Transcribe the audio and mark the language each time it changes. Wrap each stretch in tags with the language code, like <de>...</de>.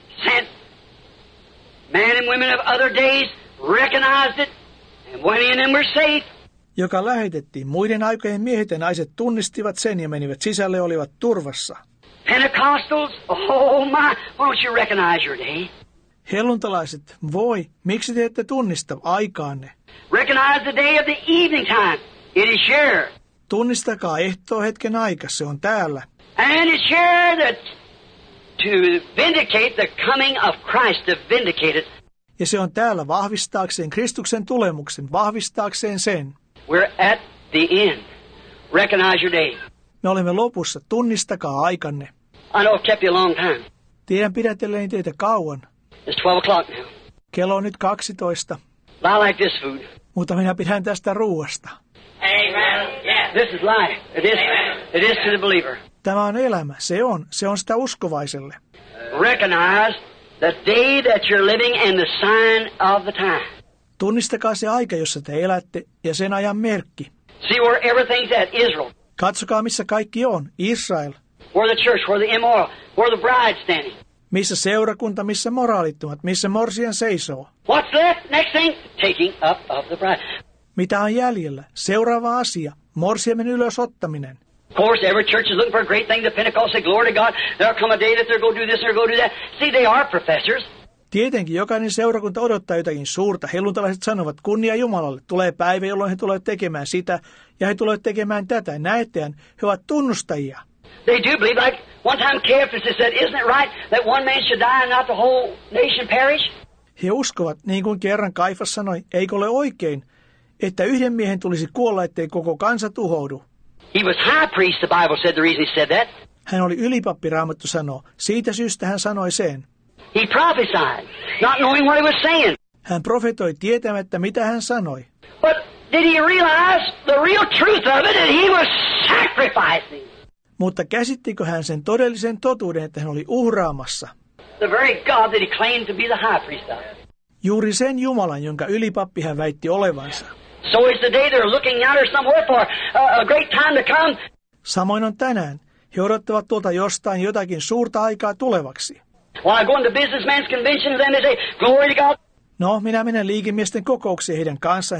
<en>Sent. Men and women of other days recognized it, and when in them were safe.</en> <fi>Joka lähetettiin, muiden aikojen miehet ja naiset tunnistivat sen ja menivät sisälle ja olivat turvassa.</fi> <en>Pentecostals, oh my, why don't you recognize your day?</en> <fi>Helluntalaiset, voi, miksi te ette tunnista aikaanne?</fi> <en>Recognize the day of the evening time, it is here.</en> <fi>Tunnistakaa ehtoohetken aika, se on täällä.</fi> <en>And it's here that to vindicate the coming of Christ, to vindicate it.</en> <fi>Ja se on täällä vahvistaakseen Kristuksen tulemuksen, vahvistaakseen sen.</fi> <en>We're at the end. Recognize your day.</en> <fi>Me olemme lopussa, tunnistakaa aikanne.</fi> <en>I know I've kept you a long time.</en> <fi>Tiedän pidätelleni teitä kauan.</fi> <en>It's 12 o'clock now.</en> <fi>Kello on nyt 12.</fi> <en>I like this food.</en> <fi>Mutta minä pidän tästä ruuasta.</fi> <en>Amen. This is life. It is. Amen. It is to the believer.</en> <fi>Tämä on elämä. Se on. Se on sitä uskovaiselle.</fi> <en>Recognize the day that you're living and the sign of the time.</en> <fi>Tunnistakaa se aika, jossa te elätte, ja sen ajan merkki.</fi> <en>See where everything's at, Israel.</en> <fi>Katsokaa, missä kaikki on.</fi> <en>Israel. Where the church, where the immoral, where the bride standing.</en> <fi>Missä seurakunta, missä moraalittomat, missä morsian seisoo.</fi> <en>What's left? Next thing? Taking up of the bride.</en> <fi>Mitä on jäljellä? Seuraava asia. Morsiamen ylösottaminen.</fi> <en>Of course, every church is looking for a great thing. The Pentecost, the glory to God. There'll come a day that they're going to do this, they're going to do that. See, they are professors.</en> <fi>Tietenkin jokainen seurakunta odottaa jotakin suurta. Helluntalaiset sanovat, kunnia Jumalalle. Tulee päivä, jolloin he tulevat tekemään sitä, ja he tulevat tekemään tätä. Näettehän, he ovat tunnustajia.</fi> <en>They do believe, like one time Caiaphas said, isn't it right that one man should die and not the whole nation perish?</en> <fi>He uskovat, niin kuin kerran Kaifas sanoi, eikö ole oikein, että yhden miehen tulisi kuolla, ettei koko kansa tuhoudu.</fi> <en>He was high priest, the Bible said, the reason he said that.</en> <fi>Hän oli ylipappi, Raamattu sanoo. Siitä syystä hän sanoi sen.</fi> <en>He prophesied, not knowing what he was saying.</en> <fi>Hän profetoi tietämättä, mitä hän sanoi.</fi> <en>But did he realize the real truth of it, that he was sacrificing?</en> <fi>Mutta käsittikö hän sen todellisen totuuden, että hän oli uhraamassa?</fi> <en>The very God that he claimed to be the high priest of.</en> <fi>Juuri sen Jumalan, jonka ylipappi hän väitti olevansa.</fi> <en>So is the day they're looking out or somewhere for a great time to come.</en> <fi>Samoin on tänään. He odottavat tuolta jostain jotakin suurta aikaa tulevaksi.</fi> <en>Well, I go to businessman's convention, then they say, glory to God.</en> <fi>No, minä menen liikemiesten kokouksiin heidän kanssaan.</fi>